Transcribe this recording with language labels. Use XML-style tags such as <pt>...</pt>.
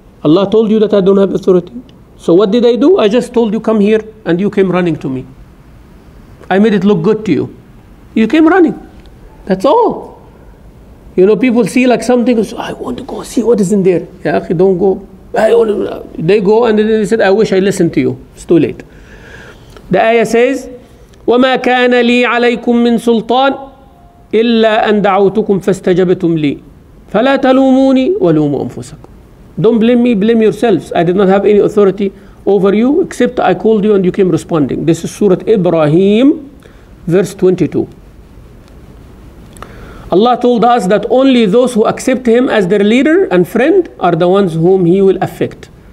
<en>Allah told you that I don't have authority. So what did I do? I just told you, come here, and you came running to me. I made it look good to you. You came running. That's all. You know, people see like something, I want to go see what is in there. Ya akhi, don't go. They go, and then they said, I wish I listened to you. It's too late. The ayah says,</en> <ar>وَمَا كَانَ لِي عَلَيْكُم مِّن سُلْطَانِ إِلَّا أَن دَعَوْتُكُمْ فَاسْتَجَبْتُمْ لِي فَلَا تَلُومُونِي وَلُومُوا أَنفُسَكُمْ.</ar> <en>Don't blame me, blame yourselves. I did not have any authority over you, except I called you and you came responding. This is Surah Ibrahim, verse 22. Allah told us that only those who accept Him as their leader and friend are the ones whom He will affect.</en>